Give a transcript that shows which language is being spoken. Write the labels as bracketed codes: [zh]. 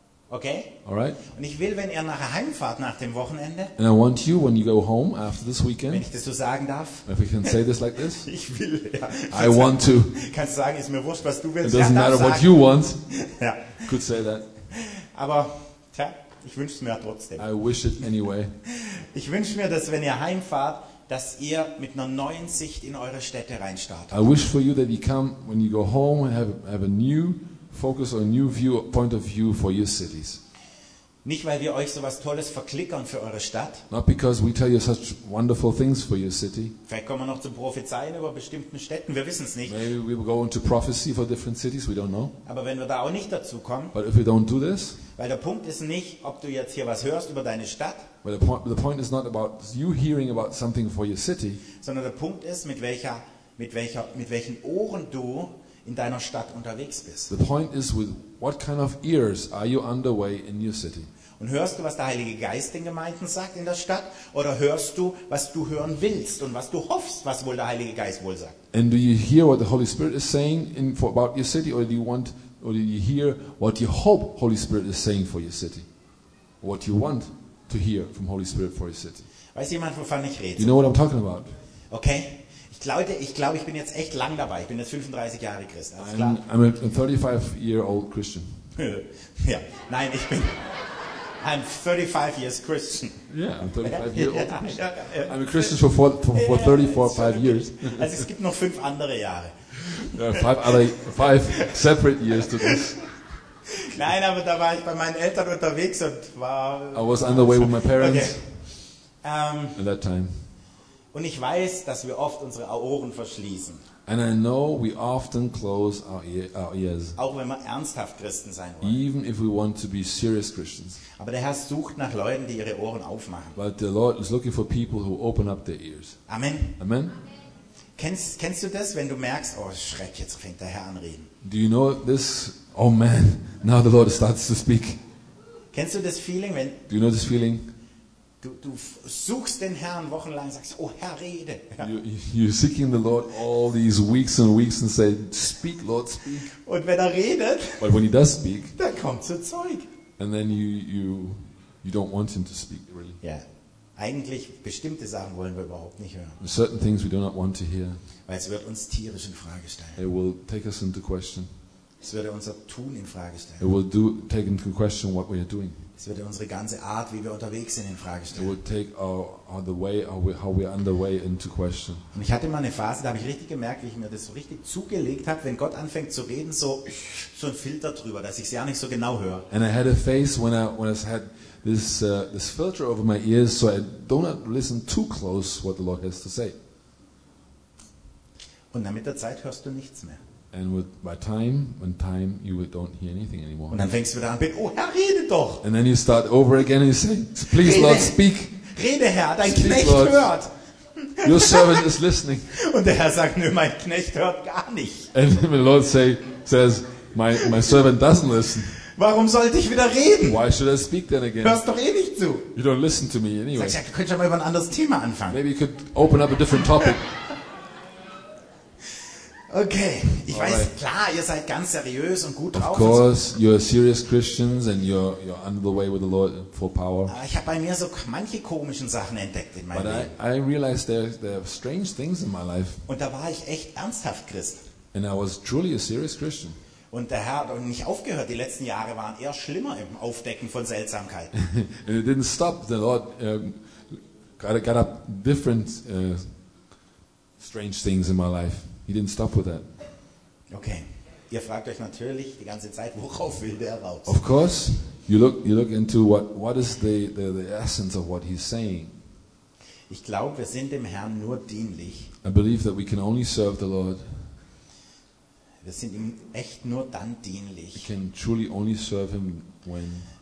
[en] Okay. All right. [de] Und ich will, wenn ihr nachher heimfahrt nach dem Wochenende. [en] And I want you when you go home after this weekend. [de] Wenn ich das so sagen darf. [en] If we can say this like this. [de] Ich will. Ja. [en] I want to. [de] Kannst du sagen, ist mir wurscht, was du willst. [en] It doesn't matter what you want. [de] Ja. [en] Could say that. [de] Aber tja, ich wünsche es mir trotzdem. [en] I wish it anyway. [de] Ich wünsche mir, dass wenn ihr heimfahrt, dass ihr mit einer neuen Sicht in eure Städte reinstartet. [en] I wish for you that you come when you go home and have a new focus or a new view, point of view for your cities. [de] Nicht weil wir euch so was Tolles verklickern für eure Stadt. [en] Not because we tell you such wonderful things for your city. [de] Vielleicht kommen wir noch zu Prophezeien über bestimmten Städten. Wir wissen es nicht. [en] Maybe we will go into prophecy for different cities. We don't know. [de] Aber wenn wir da auch nicht dazu kommen. [en] But if we don't do this. [de] Weil der Punkt ist nicht, ob du jetzt hier was hörst über deine Stadt. [en] Well, the point is not about you hearing about something for your city. [de] Sondern der Punkt ist, mit welchen Ohren du in deiner Stadt unterwegs bist. [en] The point is with what kind of ears are you underway in your city? [de] Und hörst du, was der Heilige Geist den Gemeinden sagt in der Stadt, oder hörst du, was du hören willst und was du hoffst, was wohl der Heilige Geist wohl sagt? [en] And do you hear what the Holy Spirit is saying about your city, or do you want, or do you hear what you hope Holy Spirit is saying for your city, what you want to hear from Holy Spirit for your city? [de] Weiß jemand, wovon ich rede? [en] You know what I'm talking about? Okay. [de] Leute, ich glaube, ich bin jetzt echt lang dabei. Ich bin jetzt 35 Jahre Christ. [en] I'm a 35-year-old Christian. [de] Ja, nein, ich bin. [en] I'm 35 years Christian. Yeah, I'm 35-year-old. I'm a Christian for 35 years. [de] Also es gibt noch 5 andere Jahre. [en] There are 5 separate years to this. [de] Nein, aber da war ich bei meinen Eltern unterwegs und war. [en] I was on the way with my parents. Okay. At that time. [de] Und ich weiß, dass wir oft unsere Ohren verschließen. [en] And I know we often close our ears. [de] Auch wenn wir ernsthaft Christen sein wollen. [en] Even if we want to be serious Christians. [de] Aber der Herr sucht nach Leuten, die ihre Ohren aufmachen. [en] But the Lord is looking for people who open up their ears. Amen. Amen. [de] Kennst du das, wenn du merkst, oh Schreck, jetzt fängt der Herr an reden? [en] Do you know this? Oh man, now the Lord starts to speak. [de] Kennst du das Feeling, wenn? [en] Do you know this feeling? [de] Du suchst den Herrn wochenlang, sagst, oh Herr, rede. Ja. [en] You're seeking the Lord all these weeks and say, speak, Lord, speak. [de] Und wenn er redet, [en] but when he does speak, [de] dann kommt so Zeug. [en] And then you don't want him to speak, really. [de] Ja, eigentlich bestimmte Sachen wollen wir überhaupt nicht hören. [en] Certain things we do not want to hear. [de] Weil es wird uns tierisch in Frage stellen. [en] It will take us into question. [de] Es würde unser Tun in Frage stellen. [en] It will take into question what we are doing. [de] Es würde unsere ganze Art, wie wir unterwegs sind, in Frage stellen. [en] It will take how we are underway into question. [de] Und ich hatte mal eine Phase, da habe ich richtig gemerkt, wie ich mir das so richtig zugelegt habe, wenn Gott anfängt zu reden, so ein Filter drüber, dass ich es ja nicht so genau höre. [en] And I had a phase when I had this filter over my ears, so I do not listen too close what the Lord has to say. [de] Und dann mit der Zeit hörst du nichts mehr. [en] And by time, you don't hear anything anymore. [de] Und dann fängst du wieder an, oh Herr, rede doch. [en] And then you start over again and you say, please, [de] rede, [en] Lord, speak. [de] Rede, Herr, dein speak, Knecht Lord. Hört. [en] Your servant is listening. [de] Und der Herr sagt, nö, mein Knecht hört gar nicht. [en] And the Lord says, my servant doesn't listen. [de] Warum sollte ich wieder reden? [en] Why should I speak then again? [de] Hörst doch eh nicht zu. [en] You don't listen to me anyway. [de] Sagst du, könntest du mal über ein anderes Thema anfangen? [en] Maybe you could open up a different topic. Okay, ich all weiß, right. [de] Klar, ihr seid ganz seriös und gut drauf. [en] Of course, you're serious Christians and you're under the way with the Lord for power. [de] Aber ich habe bei mir so manche komischen Sachen entdeckt in meinem Leben. [en] I realized there are strange things in my life. [de] Und da war ich echt ernsthaft Christ. [en] And I was truly a serious Christian. [de] Und der Herr hat nicht aufgehört. Die letzten Jahre waren eher schlimmer im Aufdecken von Seltsamkeiten. [en] And it didn't stop. The Lord got up different strange things in my life. He didn't stop with that. Okay. [de] Ihr fragt euch natürlich die ganze Zeit, worauf will der raus? [en] Of course, you look into what is the essence of what he's saying. [de] Ich glaube, wir sind dem Herrn nur dienlich. [en] I believe that we can only serve the Lord. [de] Wir sind ihm echt nur dann dienlich. [en] We can truly only serve him when.